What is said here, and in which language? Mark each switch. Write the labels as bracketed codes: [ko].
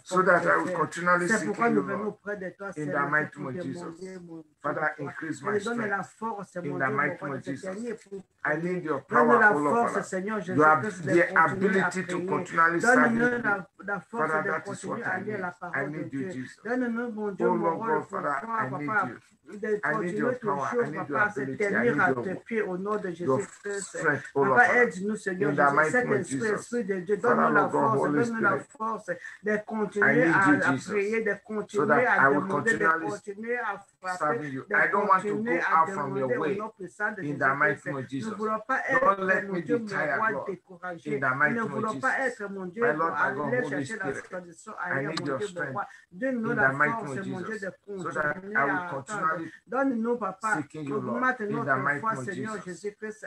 [en] So that I will continually seek you, Lord. In the mighty name of Jesus. Father, increase my strength. In the mighty name of Jesus. I need your power, O Lord, Father. You have the ability to continually serve you. Father, that is what I [fr] lire la parole de Dieu. Donne-nous, mon Dieu, mon roi, le pouvoir, papa, de continuer toujours, papa, de tenir à tes pieds au nom de Jésus-Christ. Papa, aide-nous, Seigneur Jésus, cet esprit de Dieu. Donne-nous la force de continuer à prier, de continuer à demander, de continuer à [en] serving you. I don't want to go out from your way in the mighty name of Jesus. Don't let me be tired, Lord, in the mighty name of Jesus. My Lord, my God, Holy Spirit, I need your strength in the mighty name of Jesus so that I will continually seeking you, Lord, in the mighty name of Jesus.